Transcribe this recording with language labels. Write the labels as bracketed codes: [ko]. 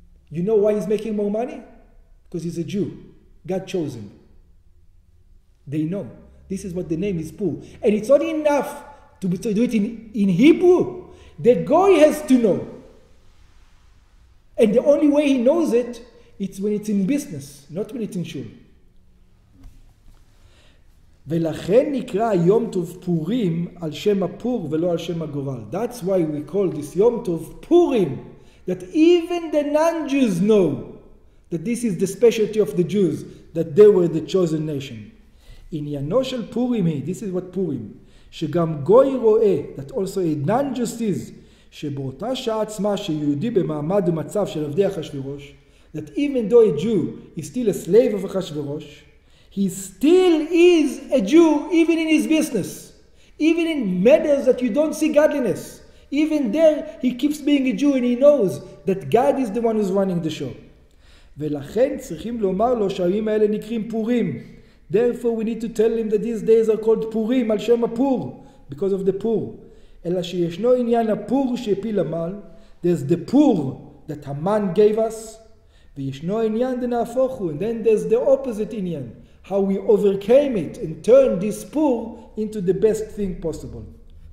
[en] You know why he's making more money? Because he's a Jew. God chose him. They know. This is what the name is, Pur. And it's not enough to do it in Hebrew. The goy has to know. And the only way he knows it, it's when it's in business, not when it's in shul. [he] ולכן נקרא יום טוב פורים על שם הפור ולא על שם הגורל. [en] That's why we call this יום טוב פורים. That even the non-Jews know that this is the specialty of the Jews, that they were the chosen nation. [he] עניינו של פורים היא, [en] this is what [he] פורים, שגם גוי רואה, [en] that also a non-Jew sees, [he] שבאותה שעה עצמה שיהודי במעמד ומצב של עבדי החשבירוש, [en] that even though a Jew is still a slave of החשבירוש, he still is a Jew even in his business, even in matters that you don't see godliness. Even there, he keeps being a Jew and he knows that God is the one who's running the show. [he] ולכן צריכים לומר לו שהימים האלה נקראים פורים. [en] Therefore, we need to tell him that these days are called פורים, [he] על שם הפור, [en] because of the פור. [he] אלא שישנו עניין הפור שהפיל המן, [en] there's the פור that המן gave us, [he] וישנו עניין דנהפוך הוא, [en] and then there's the opposite עניין, how we overcame it and turned this פור into the best thing possible.